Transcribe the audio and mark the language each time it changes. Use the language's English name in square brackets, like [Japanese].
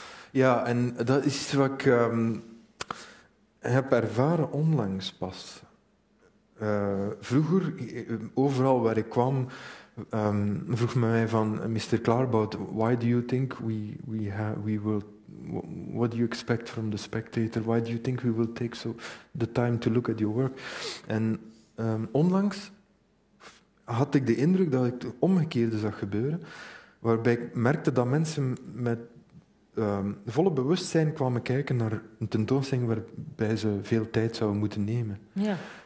[Dutch] Ja, en dat is iets wat ik heb ervaren onlangs pas. Vroeger, overal waar ik kwam, vroeg men mij van Mr. Klaarboud, [English] why do you think we will what do you expect from the spectator? Why do you think we will take so the time to look at your work? [Dutch] En onlangs had ik de indruk dat ik het omgekeerde zag gebeuren, waarbij ik merkte dat mensen met volle bewustzijn kwamen kijken naar een tentoonstelling waarbij ze veel tijd zouden moeten nemen. Ja.